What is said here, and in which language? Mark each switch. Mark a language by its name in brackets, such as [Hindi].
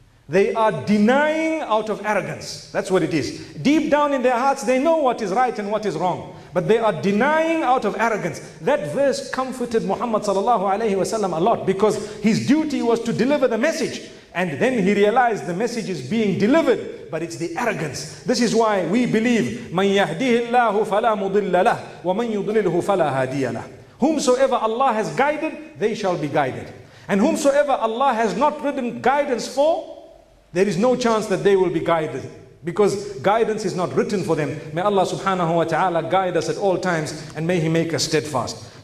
[English] They are denying out of arrogance. That's what it is. Deep down in their hearts, they know what is right and what is wrong. But they are denying out of arrogance. That verse comforted Muhammad sallallahu alayhi wa sallam a lot, because his duty was to deliver the message. And then he realized the message is being delivered, but it's the arrogance. This is why we believe, [Arabic] مَنْ يَهْدِهِ اللَّهُ فَلَا مُضِلَّ لَهُ وَمَنْ يُضْلِلْهُ فَلَا هَادِيَ لَهُ. [English] Whomsoever Allah has guided, they shall be guided. And whomsoever Allah has not written guidance for, there is no chance that they will be guided, because guidance is not written for them. May Allah subhanahu wa ta'ala guide us at all times, and may He make us steadfast.